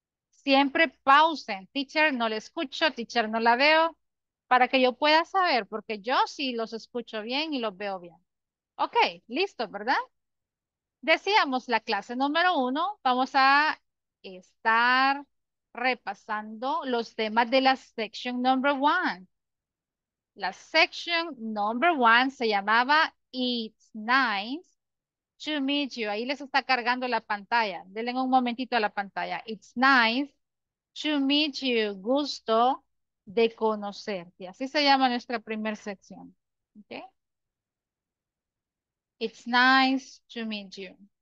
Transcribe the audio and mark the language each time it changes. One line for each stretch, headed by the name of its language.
Spanish: Siempre pausen, teacher, no le escucho, teacher, no la veo, para que yo pueda saber, porque yo sí los escucho bien y los veo bien. Ok, listo, ¿verdad? Decíamos la clase número 1, vamos a estar repasando los temas de la
English: section number 1.
Spanish: La section number 1 se llamaba
English: It's nice to meet you.
Spanish: Ahí les está cargando la pantalla. Denle un momentito a la pantalla.
English: It's nice to meet you.
Spanish: Gusto de conocerte. Así se llama nuestra primera sección.
English: Okay. It's nice to meet you.